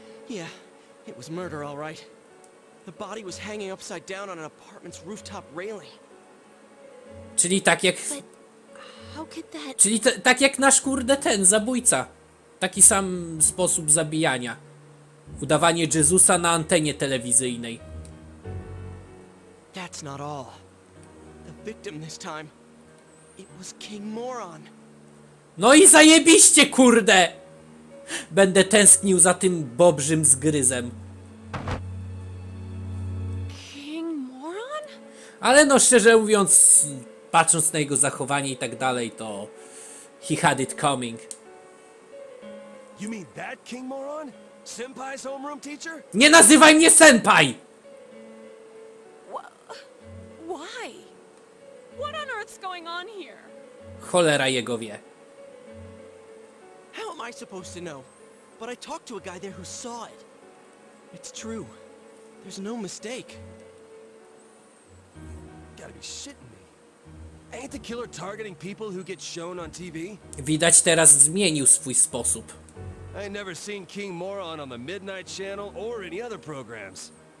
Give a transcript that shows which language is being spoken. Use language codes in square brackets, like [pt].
[en] Yeah, it was murder, all right. The body was hanging upside down on an apartment's rooftop railing. [pl] Czyli tak jak... Tak jak nasz kurde ten, zabójca. Taki sam sposób zabijania. Udawanie Jezusa na antenie telewizyjnej. [en] That's not all. The victim this time, it was King Moron. [pl] No i zajebiście, kurde! Będę tęsknił za tym bobrzym zgryzem. [en] King Moron? [pl] Ale no, szczerze mówiąc, patrząc na jego zachowanie i tak dalej, to... [en] He had it coming. You mean that King Moron? Senpai's homeroom teacher? [pl] Nie nazywaj mnie senpai! [en] Why? What on earth's going on here? [pl] Cholera jego wie. [en] How am I supposed to know? But I talked to a guy there who saw it. It's true. There's no mistake. You gotta be shitting me. Ain't the killer targeting people who get shown on TV? [pl] Widać teraz zmienił swój sposób. [en] I ain't never seen King Moron on the Midnight Channel or any other programs.